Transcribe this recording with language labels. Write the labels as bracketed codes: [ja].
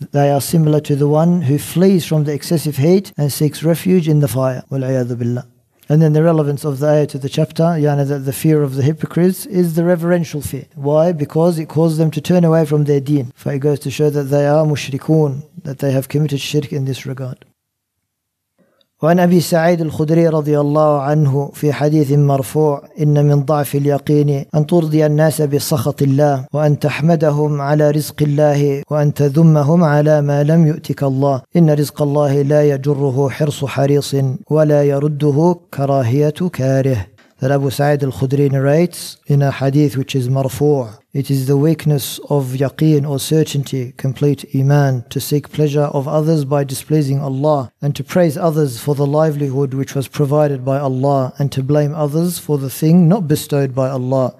[en] They are similar to the one who flees from the excessive heat and seeks refuge in the fire. Wal'ayadhu billah. And then the relevance of the ayah to the chapter, yani that the fear of the hypocrites is the reverential fear. Why? Because it caused them to turn away from their deen. For it goes to show that they are mushrikun, that they have committed shirk in this regard. [ar] وعن أبي سعيد الخدري رضي الله عنه في حديث مرفوع إن من ضعف اليقين أن ترضي الناس بسخط الله وأن تحمدهم على رزق الله وأن تذمهم على ما لم يؤتك الله إن رزق الله لا يجره حرص حريص ولا يرده كراهية كاره. [en] That Abu Sa'id al-Khudri narrates in a hadith which is marfu', it is the weakness of yaqeen or certainty, complete iman, to seek pleasure of others by displeasing Allah, and to praise others for the livelihood which was provided by Allah, and to blame others for the thing not bestowed by Allah.